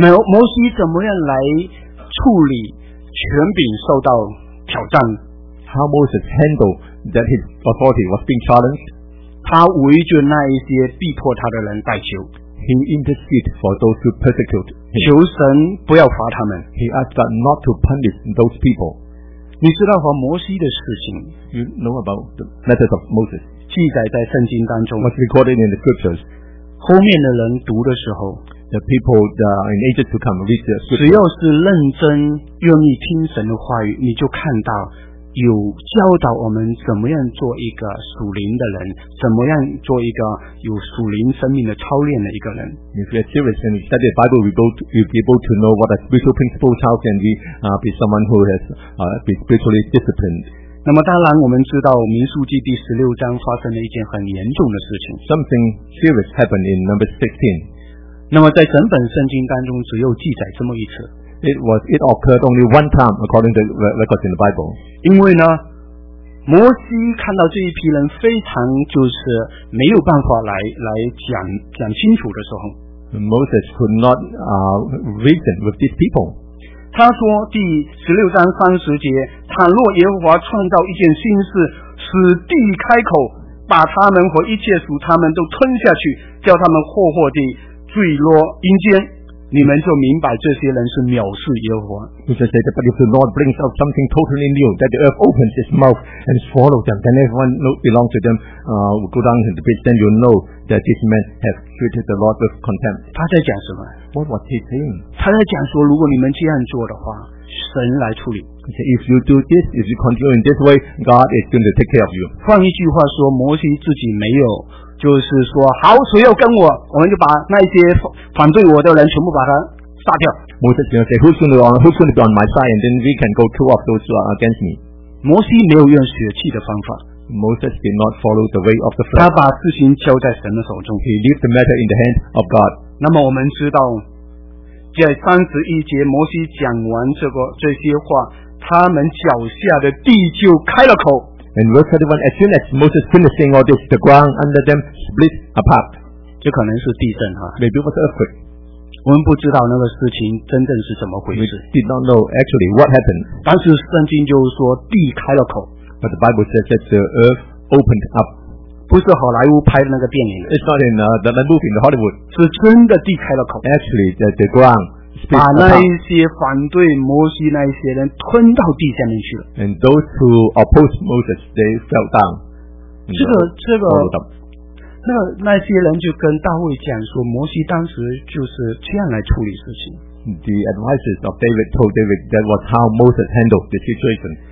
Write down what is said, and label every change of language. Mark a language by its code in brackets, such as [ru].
[zh] 摩西怎么样来处理权柄受到挑战？ [en] How Moses handled that his authority was being challenged? [zh] 他围着那一些逼迫他的人代求。 [en] He interceded for those who persecute him. [zh] 求神不要罚他们。 [en] He asked God not to punish those people. [zh] 你知道和摩西的事情。 [en] You know about the matters of Moses. [zh] 记载在圣经当中。 [en] Was recorded in the scriptures. [zh] 后面的人读的时候 [en] the people in ages to come read the scripture, [zh] 只要是认真愿意听神的话语，你就看到有教导我们怎么样做一个属灵的人，怎么样做一个有属灵生命的操练的一个人。 [en] If you're serious and you study the Bible, you'll be able to know what a spiritual principle is. How can we be someone who has be spiritually disciplined? [zh] 那么当然，我们知道民数记第十六章发生了一件很严重的事情。 [en] Something serious happened in number 16. [zh] 那么在整本圣经当中，只有记载这么一次。 [en] It occurred only one time according to records in the Bible. [zh] 因为呢，摩西看到这一批人非常就是没有办法来讲清楚的时候 [en] ，Moses could not reason with these people. [zh] 他说第十六章三十节，倘若耶和华创造一件新事，使地开口，把他们和一切属他们都吞下去，叫他们祸祸地坠落阴间。你们就明白这些人是藐视耶和华。 [en] He just said, but if the Lord brings out something totally new, that the earth opens its mouth and swallows them, then everyone who belongs to them, will go down to the pit, then you know that these men have treated the Lord with contempt. [zh] 他在讲什么？ [en] What was he saying? [zh] 他在讲说，如果你们这样做的话，神来处理。 [en] He said, if you do this, if you continue in this way, God is going to take care of you. [zh] 换一句话说，摩西自己没有。就是说，好，谁要跟我，我们就把那些反对我的人全部把他杀掉。 [en] Moses said, "Who's going to be on Who's going to be on my side, and then we can go kill off those who are against me." [zh] 摩西没有用血气的方法。 [en] Moses did not follow the way of the flesh. [zh] 他把事情交在神的手中。 [en] He left the matter in the hands of God. [zh] 那么我们知道，在三十一节，摩西讲完这些话，他们脚下的地就开了口。 [en] And verse 31, as soon as Moses finished saying all this, the ground under them split apart. [zh] 这可能是地震哈。 [en] Maybe it was earthquake. [zh] 我们不知道那个事情真正是怎么回事。 [en] We did not know actually what happened. [zh] 但是圣经就是说地开了口。 [en] But the Bible says that the earth opened up. [zh] 不是好莱坞拍的那个电影。 [en] It's not in the movie in Hollywood. [zh] 是真的地开了口。 [en] Actually, the ground. [zh] 把那一些反对摩西那一些人吞到地下面去了。 [en] And those who opposed Moses, they fell down. [zh] 这个那些人就跟大卫讲说，摩西当时就是这样来处理事情。 [en] The advisors of David told David that was how Moses handled the situation.